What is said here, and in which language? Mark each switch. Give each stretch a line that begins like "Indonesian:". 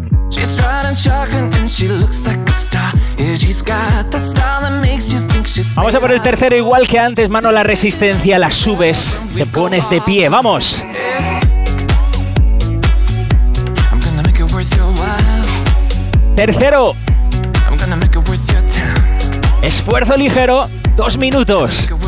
English: She's riding and shocking and she looks like a star. Yeah, she's got the style that makes you think she's.
Spanish: Vamos a por el tercero igual que antes, mano a la resistencia, la subes, te pones de pie, vamos.
English: I'm gonna make it worth your while. Tercero. I'm gonna make it worth your time.
Spanish: Esfuerzo ligero, 2 minutos.